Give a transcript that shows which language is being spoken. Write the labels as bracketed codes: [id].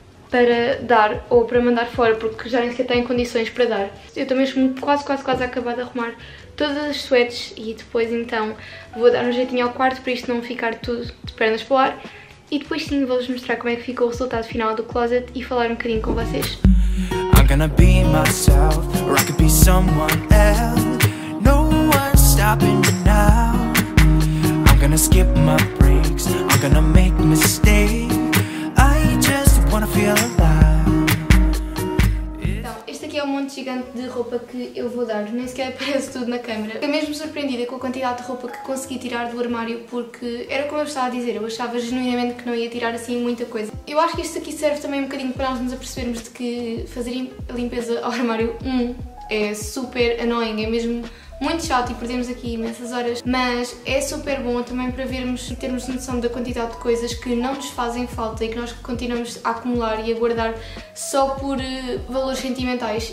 [pt] para dar ou para mandar fora, porque já nem sequer têm condições para dar. Eu também estou quase a acabar de arrumar todas as sweats e depois então vou dar um jeitinho ao quarto para isto não ficar tudo de pernas para o ar. E depois sim vou-vos mostrar como é que ficou o resultado final do closet e falar um bocadinho com vocês. [en] I'm gonna be myself, or I could be someone else. No one's stopping me now. I'm gonna skip my breaks, I'm gonna make mistakes. I just wanna feel alive. [pt] É um monte gigante de roupa que eu vou dar, nem sequer aparece tudo na câmera. Fiquei mesmo surpreendida com a quantidade de roupa que consegui tirar do armário, porque era como eu estava a dizer, eu achava genuinamente que não ia tirar assim muita coisa. Eu acho que isto aqui serve também um bocadinho para nós nos apercebermos de que fazer a limpeza ao armário é super annoying, é mesmo muito chato e perdemos aqui imensas horas, mas é super bom também para vermos e termos noção da quantidade de coisas que não nos fazem falta e que nós continuamos a acumular e a guardar só por valores sentimentais.